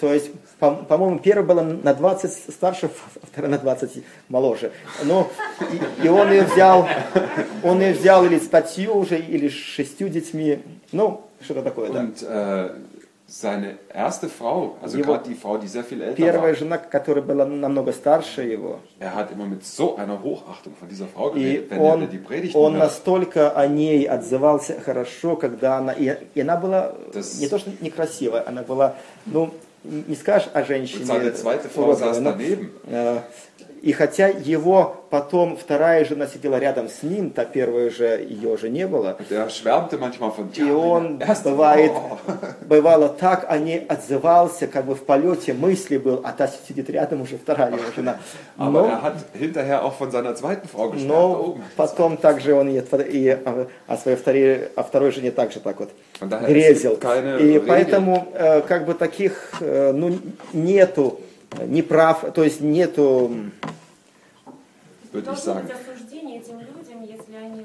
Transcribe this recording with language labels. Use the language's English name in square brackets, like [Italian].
[Russian] То есть, по-моему, первая была на 20 старше, вторая на 20 моложе. Ну, и он ее взял или с 5 уже, или с 6 детьми. Ну, что-то такое, да. [German] Seine erste Frau, also gerade die Frau, die sehr viel älter [Russian] первая [German] war, [Russian] жена, которая была намного старше его, [German] er hat immer mit so einer Hochachtung von dieser Frau geredet, wenn он, er die Predigt hat. [Russian] Он настолько о ней отзывался хорошо, когда она... И она была das, не то, что некрасивая, она была... Ну, не скажешь о женщине... [German] Und seine zweite Frau saß daneben. [Russian] И хотя его потом вторая жена сидела рядом с ним, та первая же ее же не было. И он бывало так, о ней отзывался, как бы в полете мысли был, а та сидит рядом уже вторая его жена. [German] Но, er hat hinterher auch von seiner zweiten Frau gesprochen. [Russian] Но потом также он и о своей второй жене также так вот грезил. И поэтому как бы таких ну нету. Не прав, то есть нету... Должно быть осуждение этим людям, если они...